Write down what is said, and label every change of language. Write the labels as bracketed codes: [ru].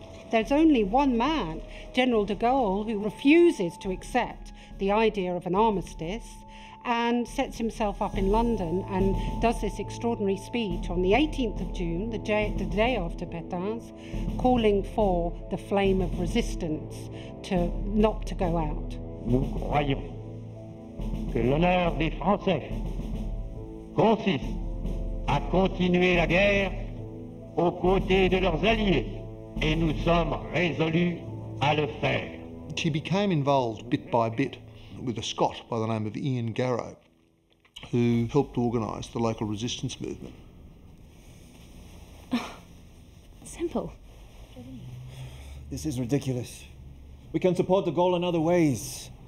[en] There's only one man, General de Gaulle, who refuses to accept the idea of an armistice, and sets himself up in London and does this extraordinary speech on the 18th of June, the day after Pétain's, calling for the flame of resistance to not to go out. [fr] Nous croyons que l'honneur des Français consiste à continuer la guerre aux côtés de leurs alliés, et nous sommes résolus à le faire. [en] She became involved bit by bit with a Scot by the name of Ian Garrow, who helped organise the local resistance movement. Oh, simple. This is ridiculous. We can support the goal in other ways.